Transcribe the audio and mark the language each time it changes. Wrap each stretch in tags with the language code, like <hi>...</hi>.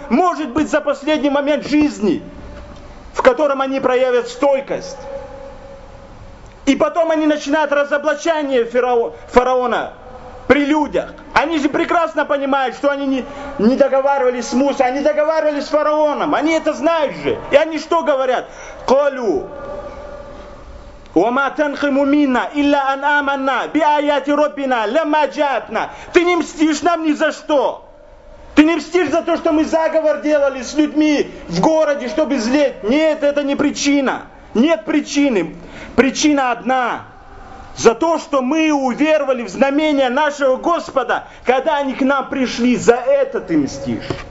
<ru>Может быть, за последний момент жизни, в котором они проявят стойкость. И потом они начинают разоблачение фараона при людях. Они же прекрасно понимают, что они не договаривались с Мусой. Они договаривались с фараоном. Они это знают же. И они что говорят? «Калю».</ru> <ar>وما تنقم منا الا ان امننا بايات ربنا لما جاءتنا.</ar> <ru>Ты не мстишь нам ни за что. Ты не мстишь за то, что мы заговор делали с людьми в городе, чтобы злеть. Нет, это не причина. Нет причины. Причина одна. За то, что мы уверовали в знамения нашего Господа, когда они к нам пришли, за это ты мстишь.</ru>